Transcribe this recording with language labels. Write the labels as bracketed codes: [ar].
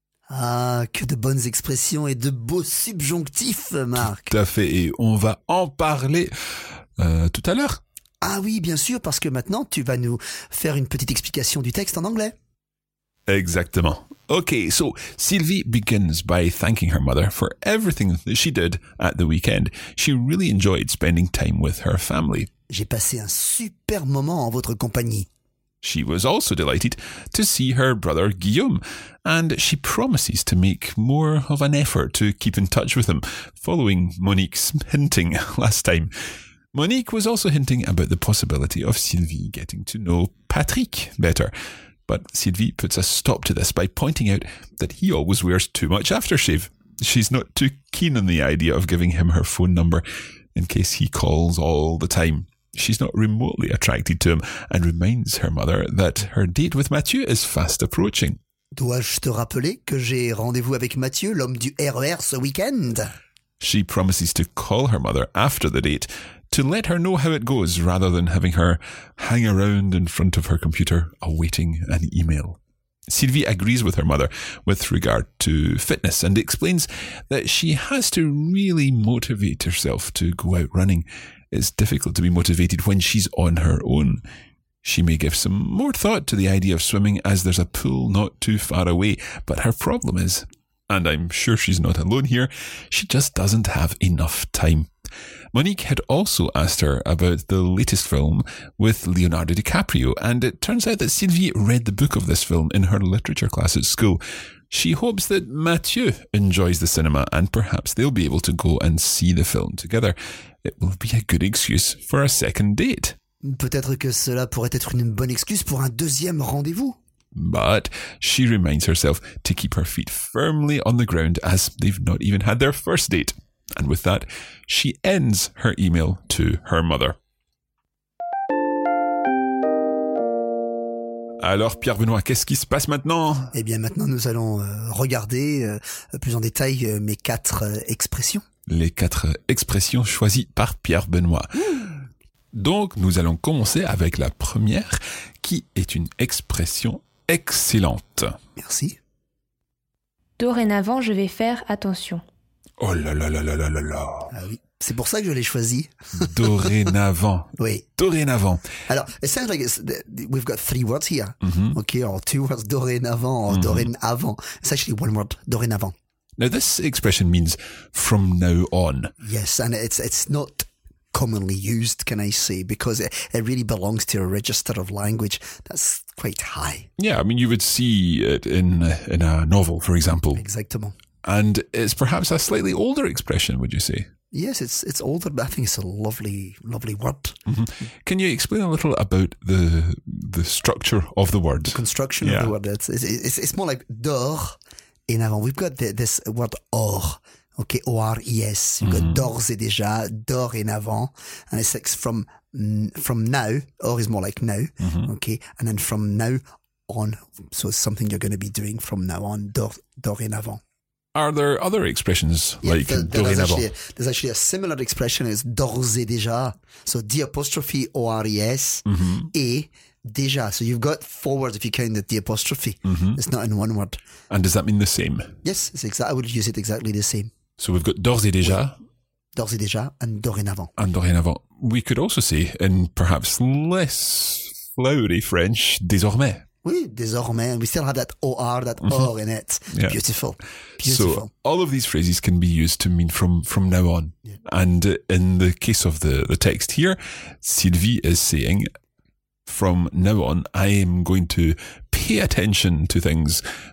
[fr] de bonnes expressions et de beaux subjonctifs, Marc. Tout à fait, et on va en parler tout à l'heure. Ah oui, bien sûr, parce que maintenant, tu vas nous faire une petite explication du texte en anglais. Exactement. [en] Okay, so Sylvie begins by thanking her mother for everything that she did at the weekend. She really enjoyed spending time with her family. [fr] J'ai passé un super moment en votre compagnie. [en] She was also delighted to see her brother Guillaume, and she promises to make more of an effort to keep in touch with him, following Monique's hinting last time. Monique was also hinting about the possibility of Sylvie getting to know Patrick better. But Sylvie puts a stop to this by pointing out that he always wears too much aftershave. She's not too keen on the idea of giving him her phone number in case he calls all the time. She's not remotely attracted to him and reminds her mother that her date with Mathieu is fast approaching. [fr] Dois-je te rappeler que j'ai rendez-vous avec Mathieu, l'homme du RER, ce week-end? [en] She promises to call her mother after the date to let her know how it goes rather than having her hang around in front of her computer awaiting an email. Sylvie agrees with her mother with regard to fitness and explains that she has to really motivate herself to go out running. It's difficult to be motivated when she's on her own. She may give some more thought to the idea of swimming as there's a pool not too far away, but her problem is, and I'm sure she's not alone here, she just doesn't have enough time. Monique had also asked her about the latest film with Leonardo DiCaprio, and it turns out that Sylvie read the book of this film in her literature class at school. She hopes that Mathieu enjoys the cinema and perhaps they'll be able to go and see the film together. It will be a good excuse for a second date. Peut-être que cela pourrait être une bonne excuse pour un deuxième rendez-vous. But she reminds herself to keep her feet firmly on the ground as they've not even had their first date. And with that, she ends her email to her mother. [fr] Alors Pierre-Benoît, qu'est-ce qui se passe maintenant? Eh bien maintenant nous allons regarder plus en détail mes quatre expressions. Les quatre expressions choisies par Pierre-Benoît. Donc nous allons commencer avec la première qui est une expression excellente. Merci. Dorénavant je vais faire attention. Oh là là là là là là là. Ah oui, c'est pour ça que je l'ai choisi. Dorénavant. Oui. Dorénavant. [en] Alors, it sounds like we've got three words here. Mm-hmm. Okay, or two words, dorénavant, or mm-hmm. dorénavant. It's actually one word, dorénavant. Now, this expression means from now on. Yes, and it's not commonly used, can I say, because it really belongs to a register of language that's quite high. Yeah, I mean, you would see it in a novel, for example. [fr] Exactement. [en] And it's perhaps a slightly older expression, would you say? Yes, it's older, but I think it's a lovely, lovely word. Mm-hmm. Can you explain a little about the structure of the word? The construction of the word. It's more like dorénavant. We've got this word or, okay, O-R-E-S. You've mm-hmm. got [fr] d'ores et déjà, dorénavant. [en] And it's like from now, or is more like now, mm-hmm. okay? And then from now on, so it's something you're going to be doing from now on, dorénavant. Are there other expressions like dorénavant? There's actually a similar expression as [fr] d'ores et déjà. [en] So D apostrophe O-R-E-S, mm-hmm. [fr] et déjà. [en] So you've got four words if you count the apostrophe. Mm-hmm. It's not in one word. And does that mean the same? Yes, I would use it exactly the same. So we've got [fr] d'ores et déjà. Oui. D'ores et déjà and dorénavant. [en] And dorénavant. We could also say in perhaps less flowery French, désormais. [fr] Oui, désormais. [en] We still have that OR, that mm-hmm. OR in it. Yeah. Beautiful. So all of these phrases can be used to mean from now on. Yeah. And in the case of the text here, Sylvie is saying, from now on, I am going to pay attention to things.